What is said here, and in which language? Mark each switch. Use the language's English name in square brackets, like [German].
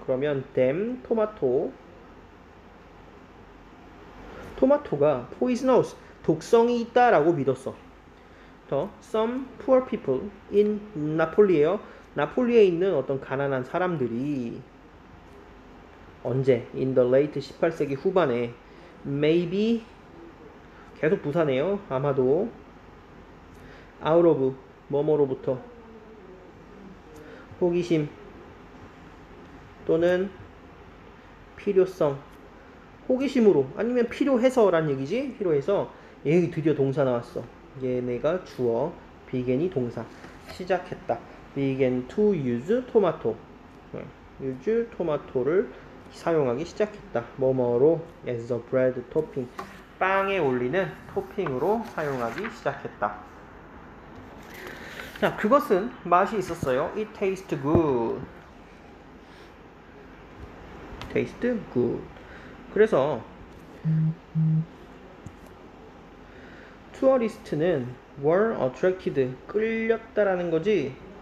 [English] 그러면 them, tomato. [Korean] 토마토가 poisonous, 독성이 있다라고 믿었어. [English] Some poor people in 나폴리에요. [Korean] 나폴리에 있는 어떤 가난한 사람들이 언제? [English] In the late [Korean] 18세기 후반에 maybe 계속 부사네요. 아마도 [English] out of [Korean] 뭐뭐로부터 호기심 또는 필요성. 호기심으로 아니면 필요해서란 얘기지. 필요해서. 얘 드디어 동사 나왔어. 얘네가 주어, began이 동사. 시작했다. [English] began to use tomato. use tomato [Korean] 를 사용하기 시작했다. 뭐뭐로 [English] as a bread topping. [Korean] 빵에 올리는 토핑으로 사용하기 시작했다. 자, 그것은 맛이 있었어요. [English] It tastes good. Taste good. [Korean] 그래서 투어리스트는 [English] were attracted, [Korean] 끌렸다라는 거지.